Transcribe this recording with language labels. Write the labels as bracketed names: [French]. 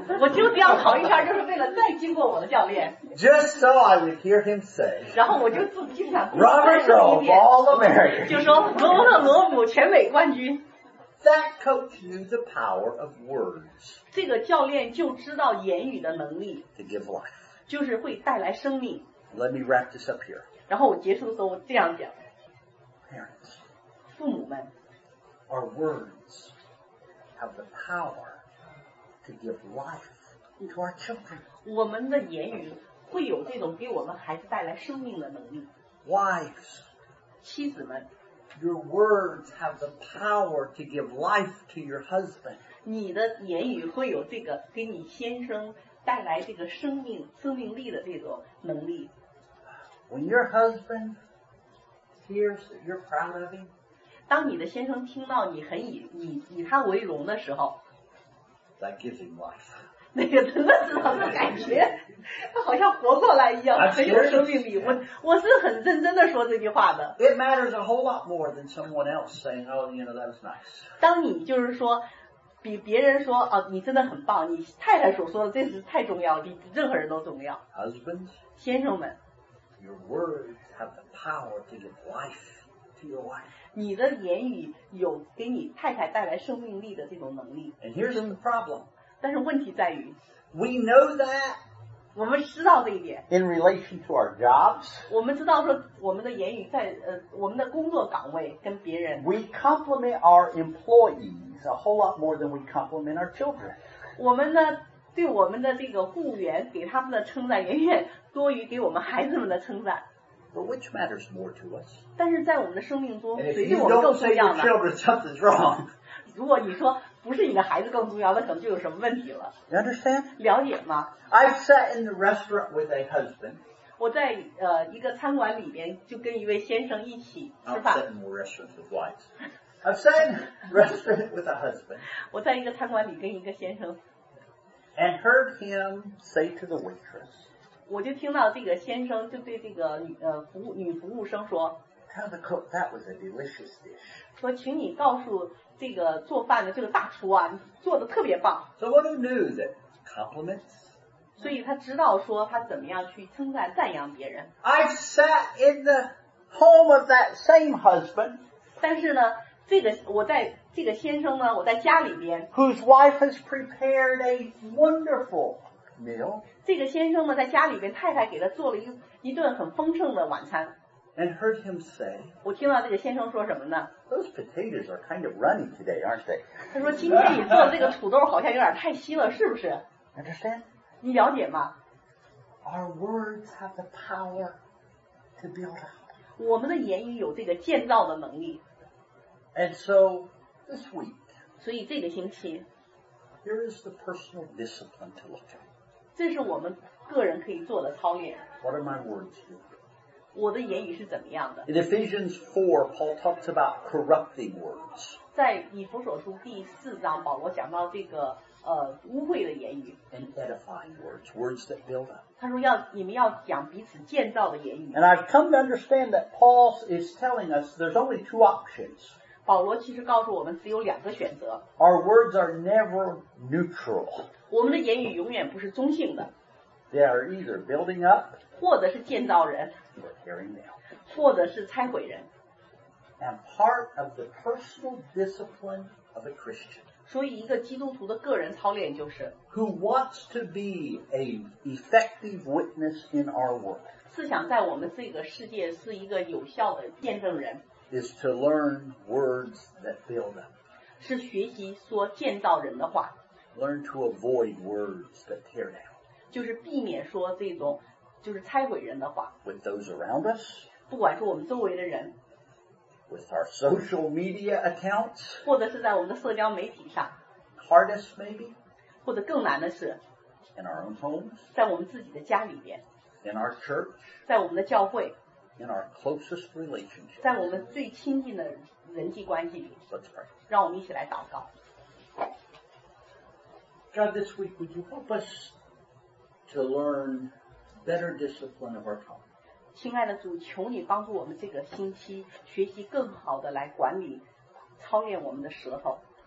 [Chinese] 我就这样跑一圈，就是为了再经过我的教练。 [English] Just so I would hear him say. [Chinese] 然后我就自己想。 [English] Robert Rome, All American. [Chinese] 就说罗伯特罗姆全美冠军。 [English] That coach knew the power of words. [Chinese] 这个教练就知道言语的能力。 [English] To give life. [Chinese] 就是会带来生命。 [English] Let me wrap this up here. [Chinese] 然后我结束的时候这样讲。 [English] Parents. [Chinese] 父母们。 [English] Our words have the power to give life to our children. [Chinese] 我们的言语会有这种给我们孩子带来生命的能力。 [English] Wives. [Chinese] 妻子们。 [English] Your words have the power to give life to your husband. [Chinese] 你的言语会有这个给你先生带来这个生命力的这种能力。 [English] When your husband hears that you're proud of him, [Chinese] 当你的先生听到你很以他为荣的时候， [English] that gives him life. [Chinese] 那个真的是让他感觉他好像活过来一样，很有生命力。我是很认真的说这句话的。 [English] It matters a whole lot more than someone else saying, "Oh, you know, that was nice." [Chinese] 当你就是说，比别人说啊，你真的很棒，你太太所说的真是太重要，比任何人都重要。 [English] Husbands, [Chinese] 先生们 [English] ，Your words have the power to give life to your wife. [Chinese] 你的言语有给你太太带来生命力的这种能力。 [English] And here's the problem. [Chinese] 但是问题在于 [English] ，We know that. [Chinese] 我们知道这一点。 [English] In relation to our jobs, [Chinese] 我们知道说我们的言语在我们的工作岗位跟别人。 [English] We compliment our employees a whole lot more than we compliment our children. [Chinese] 我们呢对我们的这个雇员给他们的称赞远远多于给我们孩子们的称赞。 [English] But which matters more to us? [Chinese] 但是在我们的生命中，谁对我们更重要呢？ [English] If you don't say your children, something's wrong. [Chinese] 如果你说。不是你的孩子更重要，那可能就有什么问题了。 [English] You understand? [Chinese] 了解吗 [English] ？I've sat in the restaurant with a husband. [Chinese] 我在一个餐馆里边就跟一位先生一起吃饭。 [English] I've sat in the restaurant with wives. I've sat in the restaurant with a husband. [Chinese] 我在一个餐馆里跟一个先生。 [English] And heard him say to the waitress. [Chinese] 我就听到这个先生就对这个女服务生说。 [English] Tell the cook that was a delicious dish. [Chinese] 说，请你告诉。这个做饭的这个大厨啊，做的特别棒。 [English] So what he knew that compliments. [Chinese] 所以他知道说他怎么样去称赞赞扬别人。 [English] I've sat in the home of that same husband. [Chinese] 但是呢，这个我在这个先生呢，我在家里边。 [English] Whose wife has prepared a wonderful meal. [Chinese] 这个先生呢，在家里边太太给他做了一顿很丰盛的晚餐。 [English] And heard him say, [Chinese] 我听到这个先生说什么呢？ [English] Those potatoes are kind of runny today, aren't they? [Chinese] 他说今天你做的这个土豆好像有点太稀了，是不是？ [English] Understand? [Chinese] 你了解吗？ [English] Our words have the power to build up. [Chinese] 我们的言语有这个建造的能力。 [English] And so, this week, [Chinese] 所以这个星期， [English] Here is the personal discipline to look at. [Chinese] 这是我们个人可以做的操练。 [English] What are my words doing? [Chinese] 我的言语是怎么样的？ [English] In Ephesians 4, Paul talks about corrupting words. [Chinese] 在以弗所书第四章，保罗讲到这个污秽的言语。 [English] And edifying words, words that build up. [Chinese] 他说要你们要讲彼此建造的言语。 [English] And I've come to understand that Paul is telling us there's only two options. [Chinese] 保罗其实告诉我们只有两个选择。 [English] Our words are never neutral. [Chinese] 我们的言语永远不是中性的。 [English] They are either building up, [Chinese] 或者是建造人， [English] or tearing down, [Chinese] 或者是拆毁人。 [English] And part of the personal discipline of a Christian. [Chinese] 所以一个基督徒的个人操练就是， [English] who wants to be an effective witness in our world. [Chinese] 是想在我们这个世界是一个有效的见证人。 [English] Is to learn words that build up. [Chinese] 是学习说建造人的话。 [English] Learn to avoid words that tear down. [Chinese] 就是避免说这种就是拆毁人的话。 [English] With those around us. [Chinese] 不管是我们周围的人。 [English] With our social media accounts. [Chinese] 或者是在我们的社交媒体上。 [English] Hardest maybe. [Chinese] 或者更难的是。 [English] In our own homes. [Chinese] 在我们自己的家里边。 [English] In our church. [Chinese] 在我们的教会。 [English] In our closest relationship. [Chinese] 在我们最亲近的人际关系里。 [English] Let's pray. [Chinese] 让我们一起来祷告。 [English] God, this week, would you help us to learn better discipline of our tongue? [Chinese] 亲爱的主，求你帮助我们这个星期学习更好的来管理、操练我们的舌头。